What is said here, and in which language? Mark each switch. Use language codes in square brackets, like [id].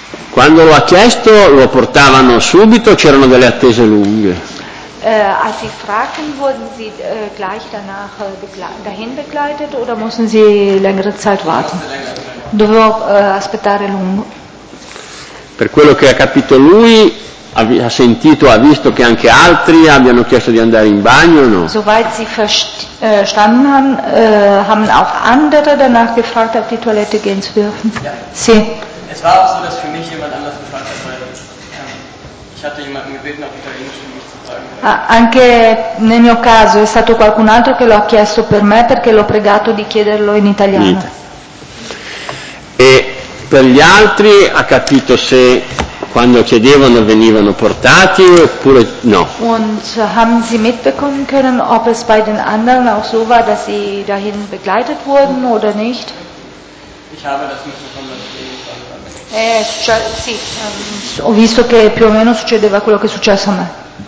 [it] Quando lo ha chiesto lo portavano subito o c'erano delle attese lunghe? [de] Als Sie fragten, wurden Sie gleich danach dahin begleitet oder mussten Sie längere Zeit warten? [it] Dovevo aspettare lungo. Per quello che ha capito lui, ha sentito, ha visto che anche altri abbiano chiesto di andare in bagno o no? [de] Soweit Sie verstanden haben, haben auch andere danach gefragt, auf die Toilette gehen zu dürfen. Ja. [it] Sì. [de] Es war auch so, dass für mich jemand anders gefragt hat, weil ich hatte jemanden gebeten, auf Italienisch für mich zu sagen. [it] Anche nel mio caso è stato qualcun altro che lo ha chiesto per me perché l'ho pregato di chiederlo in italiano. Niente. E per gli altri ha capito se quando chiedevano venivano portati oppure no? [de] Und haben Sie mitbekommen können, ob es bei den anderen auch so war, dass sie dahin begleitet wurden oder nicht? Ich habe das mitbekommen. [it] Ho visto che più o meno succedeva quello che è successo a me.